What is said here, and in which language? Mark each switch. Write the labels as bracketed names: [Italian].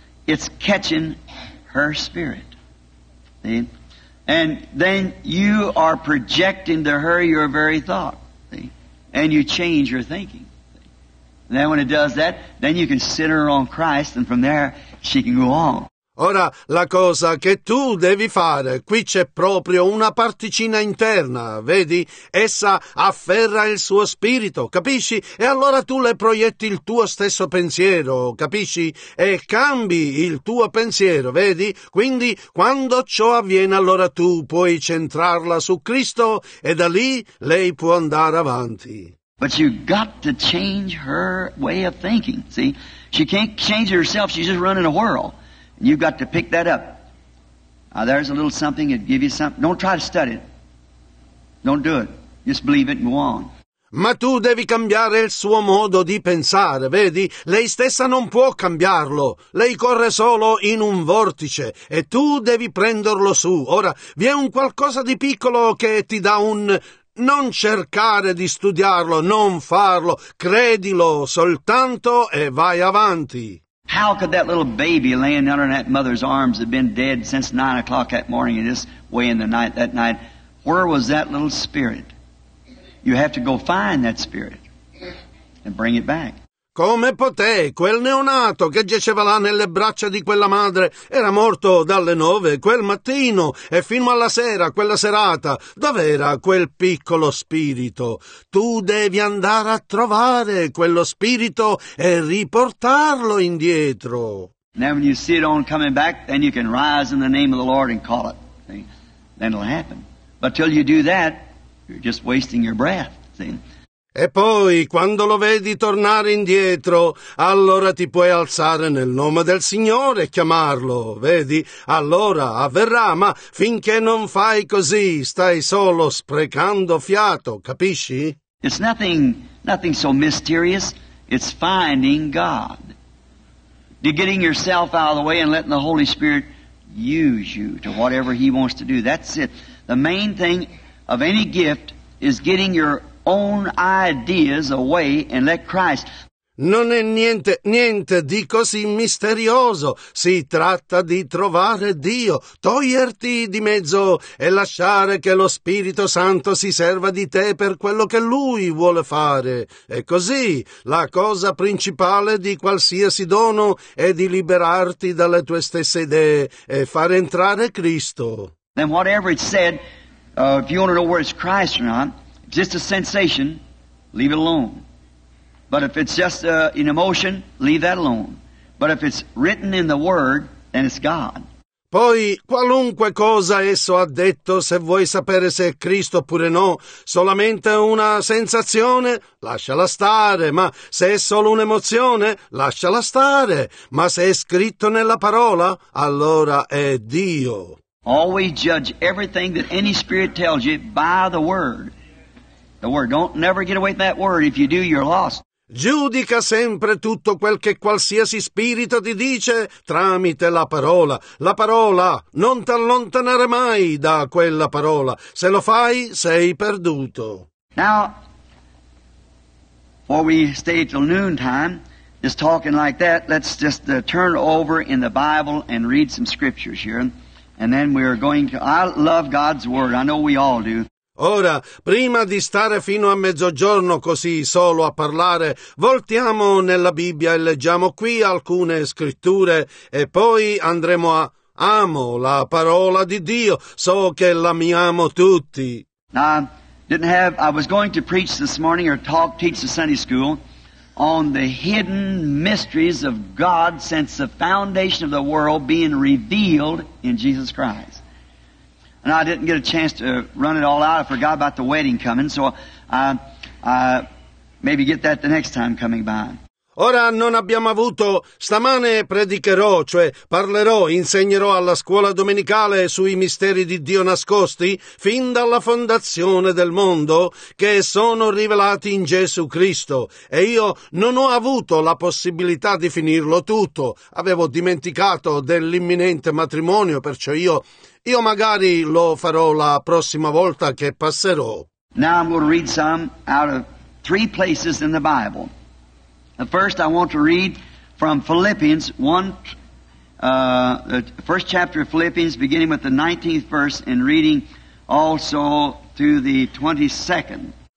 [English] It's catching her spirit. See? And then you are projecting to her your very thought. See? And you change your thinking. And then when it does that, then you can center her on Christ, and from there she can go on. [Italian] Ora, la cosa che tu devi fare, qui c'è proprio una particina interna, vedi? Essa afferra il suo spirito, capisci? E allora tu le proietti il tuo stesso pensiero, capisci? E cambi il tuo pensiero, vedi? Quindi, quando ciò avviene, allora tu puoi centrarla su Cristo e da lì lei può andare avanti. [English] But you got to change her way of thinking, see? She can't change herself, she's just running a whirl. You've got to pick that up. Now, there's a little something, it'd give you something. Don't try to study it. Don't do it. Just believe it and go on. [Italian] Ma tu devi cambiare il suo modo di pensare, vedi? Lei stessa non può cambiarlo. Lei corre solo in un vortice e tu devi prenderlo su. Ora, vi è un qualcosa di piccolo che ti dà un... Non cercare di studiarlo, non farlo. Credilo soltanto e vai avanti. [English] How could that little baby laying under that mother's arms have been dead since 9 o'clock that morning and this way in the night that night? Where was that little spirit? You have to go find that spirit and bring it back. [Italian] Come poté quel neonato che giaceva là nelle braccia di quella madre era morto dalle 9 quel mattino e fino alla sera, quella serata, dov'era quel piccolo spirito? Tu devi andare a trovare quello spirito e riportarlo indietro. [English] Now when you see it on coming back, then you can rise in the name of the Lord and call it. See? Then it'll happen. But till you do that, you're just wasting your breath. See? [Italian] E poi, quando lo vedi tornare indietro, allora ti puoi alzare nel nome del Signore e chiamarlo, vedi? Allora avverrà, ma finché non fai così, stai solo sprecando fiato, capisci? [English] It's nothing so mysterious, it's finding God. You're getting yourself out of the way and letting the Holy Spirit use you to whatever He wants to do. That's it. The main thing of any gift is getting your own ideas away and let Christ. [Italian] Non è niente di così misterioso. Si tratta di trovare Dio, toglierti di mezzo e lasciare che lo Spirito Santo si serva di te per quello che Lui vuole fare. E così la cosa principale di qualsiasi dono è di liberarti dalle tue stesse idee e far entrare Cristo. [English] And whatever it said, if you want to know where it's Christ or not. Just a sensation, leave it alone. But if it's just an emotion, leave that alone. But if it's written in the Word, then it's God. [Italian] Poi, qualunque cosa esso ha detto, se vuoi sapere se è Cristo oppure no, solamente una sensazione, lasciala stare. Ma se è solo un'emozione, lasciala stare. Ma se è scritto nella parola, allora è Dio. [English] Always judge everything that any spirit tells you by the word. The word. Don't never get away from that word. If you do, you're lost. [Italian] Giudica sempre tutto quel che qualsiasi spirito ti dice tramite la parola. La parola, non t'allontanare mai da quella parola. Se lo fai, sei perduto. [English] Now, before we stay till noontime, just talking like that, let's just turn over in the Bible and read some scriptures here. And then we're going to... I love God's word. I know we all do. [Italian] Ora, prima di stare fino a mezzogiorno così solo a parlare, voltiamo nella Bibbia e leggiamo qui alcune scritture e poi andremo a... Amo la parola di Dio, so che l'amiamo tutti. [English] Now, I was going to preach this morning or teach the Sunday school on the hidden mysteries of God since the foundation of the world being revealed in Jesus Christ. And I didn't get a chance to run it all out. I forgot about the wedding coming, so I maybe get that the next time coming by. [Italian] Ora non abbiamo avuto, stamane predicherò, cioè parlerò, insegnerò alla scuola domenicale sui misteri di Dio nascosti fin dalla fondazione del mondo che sono rivelati in Gesù Cristo. E io non ho avuto la possibilità di finirlo tutto. Avevo dimenticato dell'imminente matrimonio, perciò io magari lo farò la prossima volta che passerò. [English] Now I'm going to read some out of three places in the Bible. First, I want to read from Philippians 1, the first chapter of Philippians, beginning with the 19th verse, and reading also to the 22nd.